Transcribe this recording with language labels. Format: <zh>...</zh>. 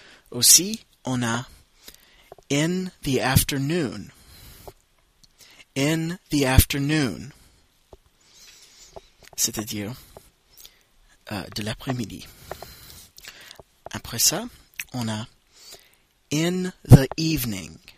<fr>Aussi, on a</fr> <en>in the afternoon. In the afternoon.</en> <fr>C'est-à-dire de l'après-midi. Après ça, on a</fr> <en>in the evening.</en>